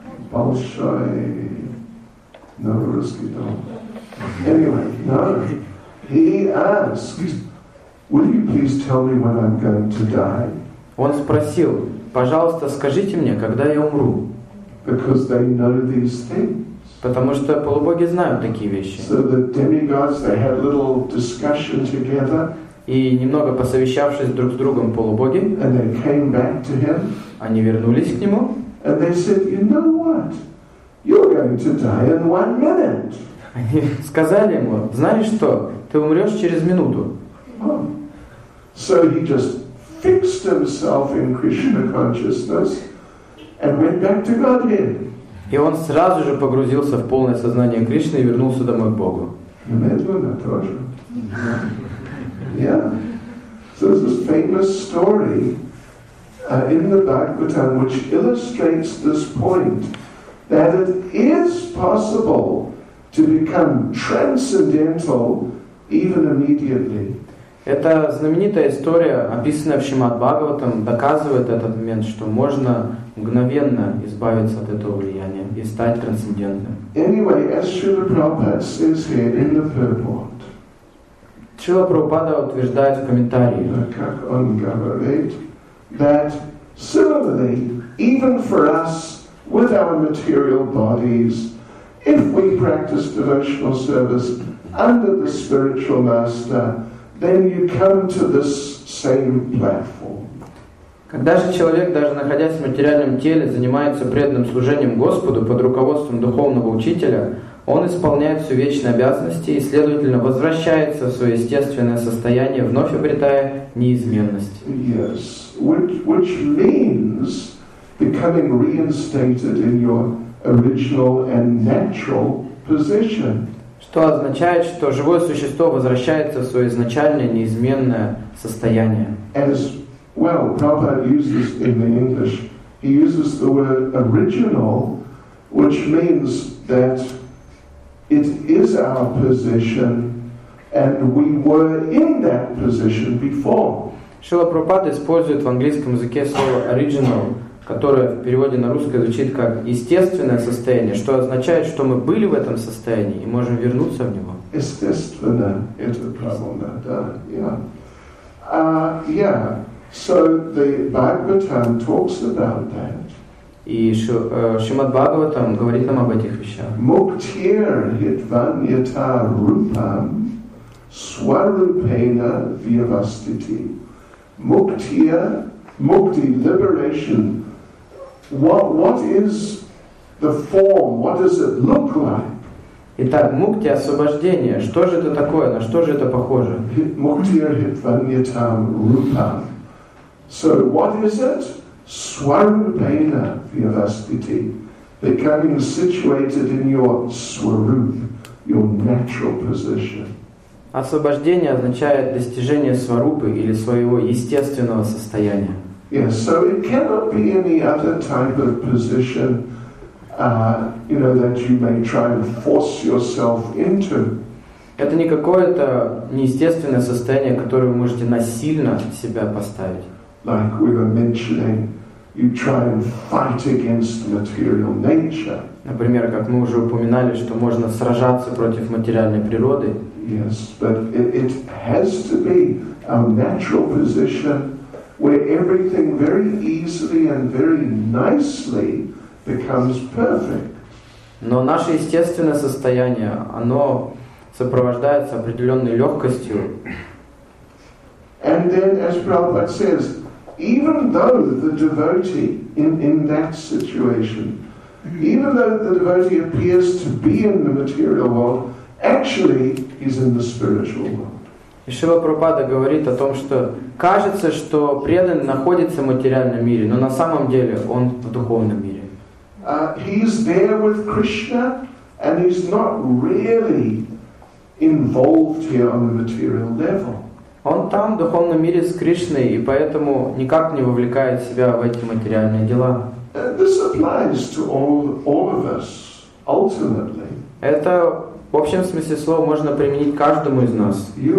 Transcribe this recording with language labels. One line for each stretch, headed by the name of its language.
Russian: Большой новорусский дом.
English: Anyway, no. He asked, will you please tell me when I'm going to die?
Russian: Он спросил, пожалуйста, скажите мне, когда я умру.
English: Because they know these things.
Russian: Потому что полубоги знают такие вещи.
English: So the demigods, they had little discussion together.
Russian: И немного посовещавшись друг с другом полубоги,
English: and they came back to him.
Russian: Они вернулись к нему.
English: And they said, you know what? You're going to die in 1 minute.
Russian: Они сказали ему, знаешь что, ты умрешь через минуту.
English: So he just fixed himself in Krishna consciousness and went back to Godhead.
Russian: И он сразу же погрузился в полное сознание Кришны и вернулся домой к Богу. Медленно тоже.
English: Yeah. So this is a famous story in the Bhagavatam, which illustrates this point that it is possible to become transcendental even immediately.
Russian: Эта знаменитая история, описанная в Шримад-Бхагаватам, доказывает этот момент, что можно мгновенно избавиться от этого влияния и стать трансцендентным.
English: Anyway, as Srila Prabhupada says here in the purport.
Russian: Srila Prabhupada утверждает в комментарии, как он говорит,
English: that similarly, even for us, with our material bodies, if we practice devotional service under the spiritual master, then you come to this same platform.
Russian: Когда же человек, даже находясь в материальном теле, занимается преданным служением Господу под руководством духовного учителя, он исполняет все вечные обязанности и, следовательно, возвращается в свое естественное состояние, вновь обретая неизменность.
English: Yes, which means becoming reinstated in your original and natural position.
Russian: Что означает, что живое существо возвращается в свое изначальное неизменное состояние.
English: As well, Prabhupada uses in the English, he uses the word original, which means that it is our position and we were in that position before.
Russian: Шрила Прабхупада использует в английском языке слово original, которое в переводе на русский звучит как естественное состояние, что означает, что мы были в этом состоянии и можем вернуться в него. Естественно, это правильно, да,
English: yeah. Yeah. So the Bhagavatam talks about that.
Russian: И Шримад Бхагаватам говорит нам об этих вещах.
Sanskrit: Муктир хитваньята рупам сварупена вивастити. Муктир, мукти,
English: liberation. What is the form? What does it look like?
Russian: Итак, мукти, освобождение. Что же это такое? На что же это похоже?
Sanskrit: Муктир хитваньята рупам.
English: So what is it?
Sanskrit: Swarupena vyavastiti,
English: becoming situated in your swarup, your natural position.
Russian: Освобождение означает достижение сварупы или своего естественного состояния.
English: Yes, so it cannot be any other type of position, you know, that you may try and force yourself into.
Russian: Это не какое-то неестественное состояние, которое вы можете насильно себя поставить.
English: Like we were mentioning, you try and fight against material nature.
Russian: Например, как мы уже упоминали, что можно сражаться против материальной природы.
English: Yes, but it has to be our natural position where everything very easily and very nicely becomes perfect.
Russian: Но наше естественное состояние, оно сопровождается определенной легкостью.
English: And then, as Prabhupada says, even though the devotee in that situation, even though the devotee appears to be in the material world, actually he's in the spiritual world.
Russian: Шрила Прабхупада говорит о том, что кажется, что преданный находится в материальном мире, но на самом деле он в духовном мире.
English: He's there with Krishna, and he's not really involved here on the material level.
Russian: Он там, в духовном мире, с Кришной, и поэтому никак не вовлекает себя в эти материальные дела. Это, в общем смысле слова, можно применить к каждому из нас.